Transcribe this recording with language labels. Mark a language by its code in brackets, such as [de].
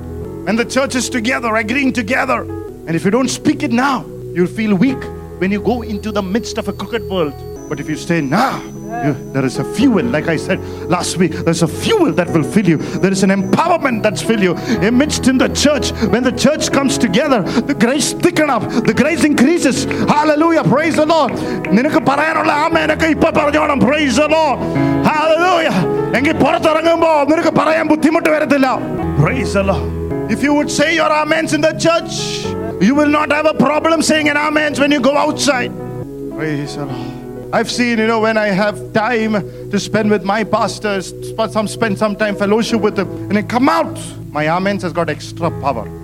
[en] When the church is together, agreeing together. And if you don't speak it now, you'll feel weak when you go into the midst of a crooked world. But if you stay now, There is a fuel, like I said last week, there's a fuel that will fill you. There is an empowerment that's fill you. Amidst in the church, when the church comes together, the grace thicken up, the grace increases. Hallelujah, praise the Lord. [ml] നിനക്ക് പറയാനുള്ള ആമേനൊക്കെ ഇപ്പൊ പറഞ്ഞോണം, [en] praise the Lord. [ml] Hallelujah. എങ്കിൽ പുറത്തിറങ്ങുമ്പോ നിനക്ക് പറയാൻ ബുദ്ധിമുട്ട് വരത്തില്ല. [en] Praise the Lord. If you would say your amens in the church, you will not have a problem saying an amens when you go outside. Praise the Lord. I've seen, you know, when I have time to spend with my pastors, spend some time fellowship with them, and I come out, my amens has got extra power.